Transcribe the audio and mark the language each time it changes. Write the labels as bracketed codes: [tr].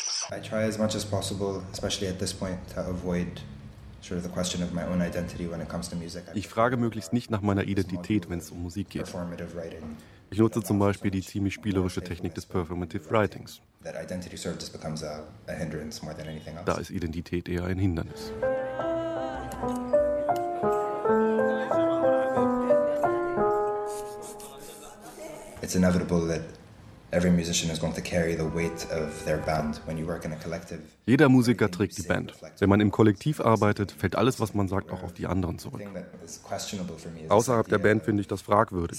[en] I try as much as possible, especially at this point, to avoid sort of the question of my own identity when it comes to music. [de] Ich frage möglichst nicht nach meiner Identität, wenn es um Musik geht. Ich nutze zum Beispiel die ziemlich spielerische Technik des Performative Writings. [en] That identity sort of just becomes a hindrance more than anything else. [de] Da ist Identität eher ein Hindernis. [en] It's inevitable that every musician is going to carry the weight of their band when you work in a collective. [de] Jeder Musiker trägt die Band. Wenn man im Kollektiv arbeitet, fällt alles, was man sagt, auch auf die anderen zurück. Außerhalb der Band finde ich das fragwürdig.